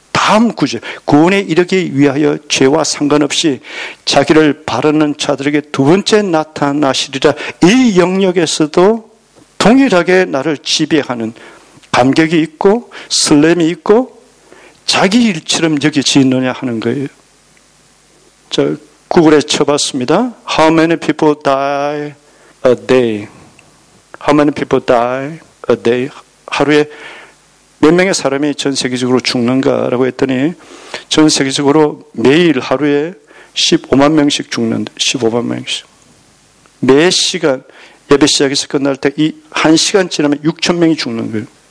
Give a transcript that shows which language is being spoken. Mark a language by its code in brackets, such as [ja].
[ko] 다음 구절 구원에 이르기 위하여 죄와 상관없이 자기를 바르는 자들에게 두 번째 나타나시리라. 이 영역에서도 동일하게 나를 지배하는 감격이 있고 설렘이 있고 자기 일처럼 여겨지느냐 하는 거예요. 저 구글에 쳐봤습니다. [en] How many people die a day? How many people die a day? [ko] 하루에 몇 명의 사람이 전 세계적으로 죽는가라고 했더니 전 세계적으로 매일 하루에 15만 명씩 죽는다. 15만 명씩. 매 시간 예배 시작해서 끝날 때 이 한 시간 지나면 6천 명이 죽는 거예요.